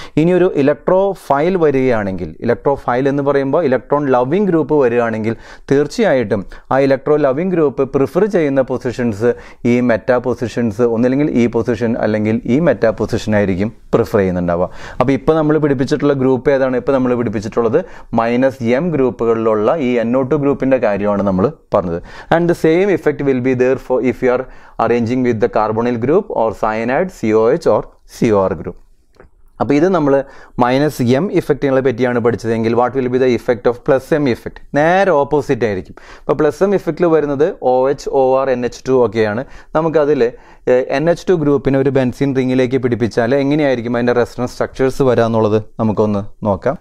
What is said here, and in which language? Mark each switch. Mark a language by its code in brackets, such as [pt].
[ml] ഇനി ഒരു electro file വരികയാണെങ്കിൽ, ഇലക്ട്രോ ഫൈൽ എന്ന് പറയുമ്പോൾ ഇലക്ട്രോൺ ലവിങ് ഗ്രൂപ്പ് വരികയാണെങ്കിൽ, തീർച്ചയായിട്ടും ആ ഇലക്ട്രോ ലവിങ് ഗ്രൂപ്പ് പ്രിഫർ ചെയ്യുന്ന പൊസിഷൻസ് ഈ മെറ്റാ പൊസിഷൻസ്, ഒന്നില്ലെങ്കിൽ ഈ പൊസിഷൻ അല്ലെങ്കിൽ ഈ മെറ്റാ പൊസിഷൻ ആയിരിക്കും പ്രിഫർ ചെയ്യുന്നുണ്ടാവുക. അപ്പോൾ ഇപ്പോൾ നമ്മൾ പിടിപ്പിച്ചിട്ടുള്ള ഗ്രൂപ്പ് ഏതാണ്? ഇപ്പോൾ നമ്മൾ പിടിപ്പിച്ചിട്ടുള്ളത് മൈനസ് എം ഗ്രൂപ്പുകളിലുള്ള ഈ NO2 ഗ്രൂപ്പിൻ്റെ കാര്യമാണ് നമ്മൾ പറഞ്ഞത്. [en] And the same effect will be there for if you are arranging with the carbonyl group or cyanide, COH or COR group. [ml] അപ്പോൾ ഇത് നമ്മൾ മൈനസ് എം ഇഫക്റ്റിനെ പറ്റിയാണ് പഠിച്ചതെങ്കിൽ, [en] What will be the effect of plus M effect? [ml] നേരെ opposite ആയിരിക്കും. ഇപ്പോൾ plus M ഇഫക്റ്റിൽ വരുന്നത് OH, OR, NH2 ഒക്കെയാണ്. നമുക്കതിൽ NH2 ഗ്രൂപ്പിനെ ഒരു ബെൻസീൻ റിങ്ങിലേക്ക് പിടിപ്പിച്ചാൽ എങ്ങനെയായിരിക്കും അതിൻ്റെ റെസൊണൻസ് സ്ട്രക്ചേഴ്സ് വരിക എന്നുള്ളത് നമുക്കൊന്ന് നോക്കാം.